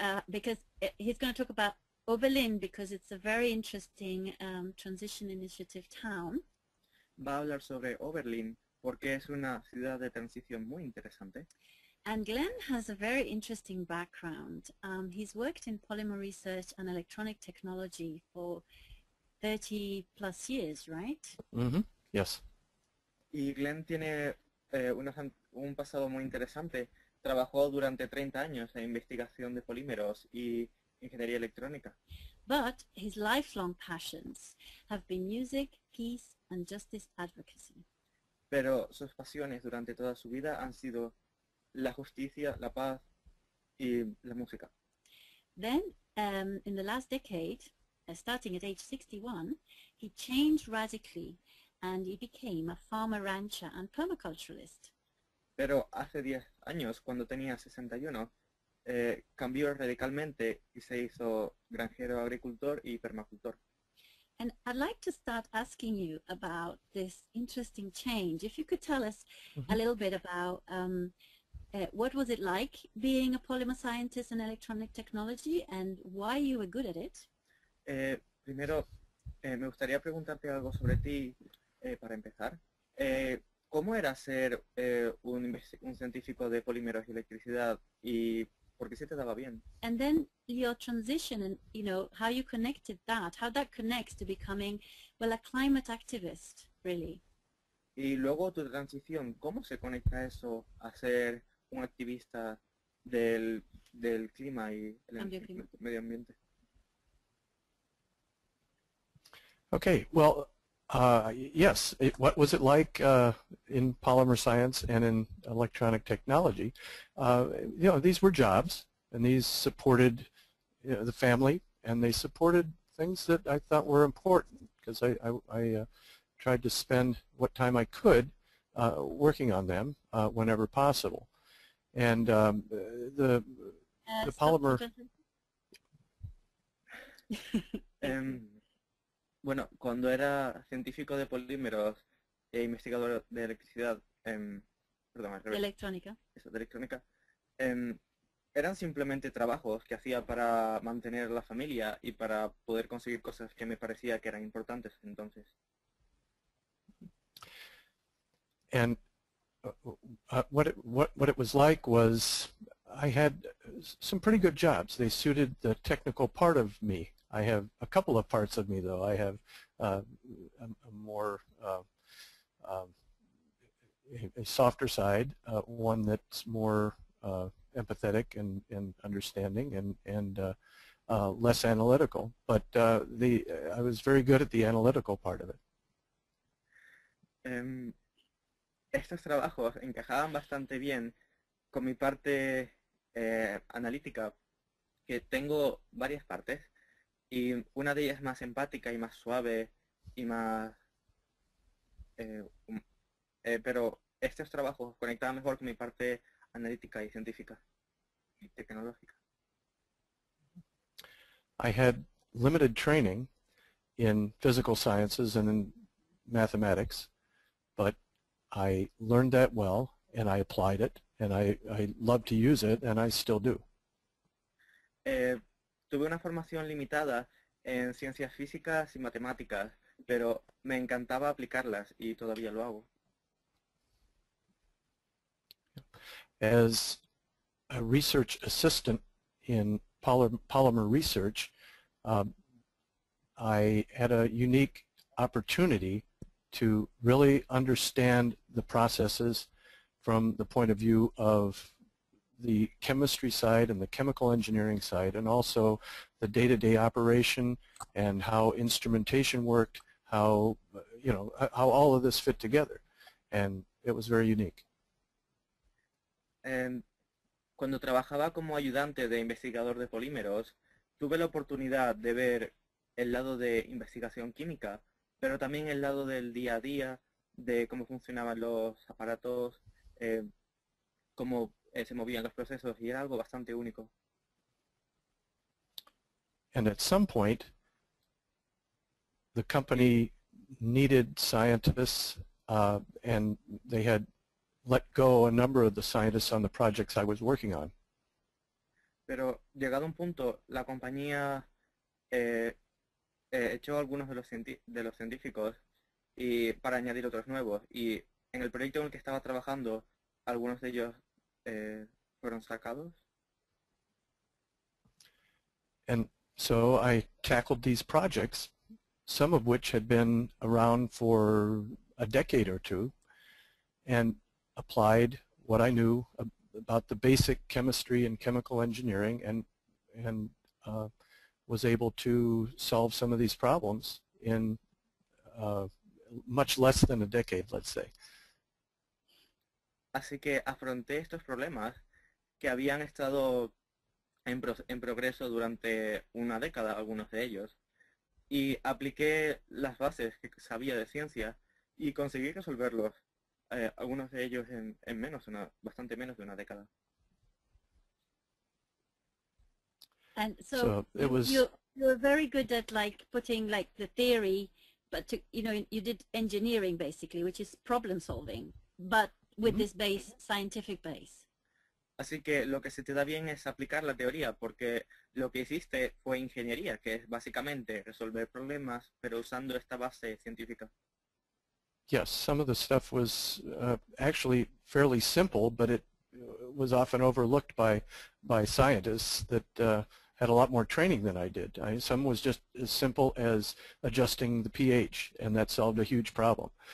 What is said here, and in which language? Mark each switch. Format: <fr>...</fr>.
<en>Because he's going to talk about Oberlin because it's a very interesting transition initiative town.</en> <es>Va a hablar sobre Oberlin porque es una ciudad de transición muy interesante.</es> <en>And Glenn has a very interesting background. He's worked in polymer research and electronic technology for 30 plus years, right? Mm-hmm. Yes.</en> <es>Y Glenn tiene un pasado muy interesante. Trabajó durante 30 años en investigación de polímeros y ingeniería electrónica.</es> <en>But his lifelong passions have been music, peace, and justice advocacy.</en> <es>Pero sus pasiones durante toda su vida han sido la justicia, la paz y la música.</es> <en>Then, in the last decade, starting at age 61, he changed radically and he became a farmer, rancher, and permaculturalist.</en> <es>Pero hace 10 años, cuando tenía 61, cambió radicalmente y se hizo granjero, agricultor y permacultor.</es> <en>And I'd like to start asking you about this interesting change. If you could tell us a little bit about what was it like being a polymer scientist in electronic technology and why you were good at it?</en> <es>Primero, me gustaría preguntarte algo sobre ti para empezar. ¿Cómo era ser un científico de polímeros y electricidad y por qué se te daba bien?</es> <en>And then your transition and, you know, how you connected that, how that connects to becoming, well, a climate activist, really.</en> <es>Y luego tu transición, ¿cómo se conecta eso a ser un activista del clima y el medio ambiente?</es> <en>Okay, well, yes, what was it like in polymer science and in electronic technology? You know, these were jobs, and these supported the family, and they supported things that I thought were important, because I tried to spend what time I could working on them whenever possible. And the polymer...</en> <es>Bueno, cuando era científico de polímeros e investigador de electricidad, perdón, al revés. Electrónica. Eso, de electrónica. Eran simplemente trabajos que hacía para mantener la familia y para poder conseguir cosas que me parecía que eran importantes entonces.</es> <en>And what it was like was I had some pretty good jobs. They suited the technical part of me. I have a couple of parts of me, though. I have a softer side, one that's more empathetic and understanding, and less analytical, but I was very good at the analytical part of it.</en> <es>Estos trabajos encajaban bastante bien con mi parte analítica, que tengo varias partes, y una de ellas más empática y más suave y más... pero estos trabajos conectaban mejor con mi parte analítica y científica y tecnológica.</es> <en>I had limited training in physical sciences and in mathematics, but I learned that well, and I applied it, and I love to use it, and I still do.</en> <es>Tuve una formación limitada en ciencias físicas y matemáticas, pero me encantaba aplicarlas, y todavía lo hago.</es> <en>As a research assistant in polymer research, I had a unique opportunity to really understand the processes from the point of view of the chemistry side and the chemical engineering side, and also the day-to-day operation and how instrumentation worked, how, you know, how all of this fit together, and it was very unique.</en> <es>Cuando trabajaba como ayudante de investigador de polímeros, tuve la oportunidad de ver el lado de investigación química, pero también el lado del día a día, de cómo funcionaban los aparatos, cómo se movían los procesos, y era algo bastante único.</es> <en>And at some point, the company needed scientists, and they had let go a number of the scientists on the projects I was working on.</en> <es>Pero llegado un punto, la compañía echó algunos de los científicos y para añadir otros nuevos. Y en el proyecto en el que estaba trabajando, algunos de ellos fueron sacados.</es> <en>And so I tackled these projects, some of which had been around for a decade or two, and applied what I knew about the basic chemistry and chemical engineering, and was able to solve some of these problems in much less than a decade, let's say.</en> <es>Así que afronté estos problemas que habían estado en progreso durante una década, algunos de ellos, y apliqué las bases que sabía de ciencia y conseguí resolverlos. Algunos de ellos en menos, una, bastante menos de una década.</es> <en>And so, you were very good at like putting like the theory, but to, you know, you did engineering basically, which is problem solving, but with this base, scientific base.</en> <es>Así que lo que se te da bien es aplicar la teoría, porque lo que hiciste fue ingeniería, que es básicamente resolver problemas, pero usando esta base científica.</es> <en>Yes, some of the stuff was actually fairly simple, but it was often overlooked by scientists that had a lot more training than I did. Some was just as simple as adjusting the pH, and that solved a huge problem.</en>